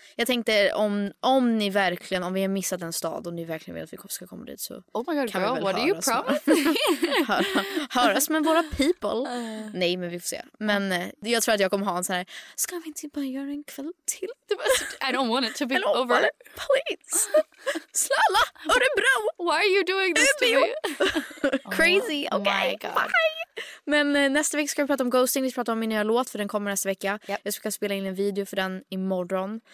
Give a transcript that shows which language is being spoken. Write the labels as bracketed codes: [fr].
[sv] Jag tänkte, om ni verkligen... Om vi har missat en stad och ni verkligen vill att vi ska komma dit så... [en] Oh my god, girl, what do you promise? [sv] höras med våra people. Nej, men vi får se. Men jag tror att jag kommer ha en sån här... Ska vi inte bara göra en kväll till? [en] I don't want it to be over. Please. Slala, Örebro! Why are you doing this to me? Crazy, okay. Oh my god. Bye. [sv] Men nästa vecka ska vi prata om ghosting. Vi ska prata om min nya låt, för den kommer nästa vecka. [en] Yep. [sv] Jag ska spela in en video för den imorgon.